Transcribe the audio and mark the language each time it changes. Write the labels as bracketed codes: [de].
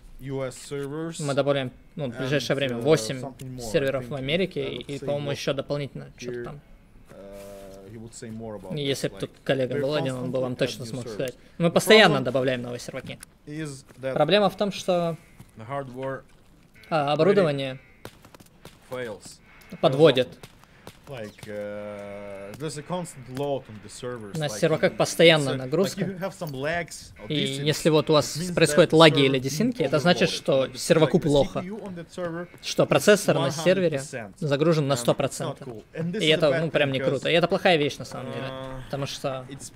[ru] Мы добавляем, ну, в ближайшее время 8 серверов в Америке и, по-моему, еще дополнительно что-то там. Если бы тут коллега был один, он бы вам точно смог сказать. Мы постоянно добавляем новые серваки. Проблема в том, что оборудование подводит. [en] Like, there's a constant load on the servers. [ru] На серверах like, постоянная нагрузка. [en] Like lags, this, [ru] и если вот у вас происходят лаги или десинки, это значит, что серваку like плохо. Что процессор на сервере загружен на 100%. И это, ну, прям не круто. И это плохая вещь, на самом деле. Потому что...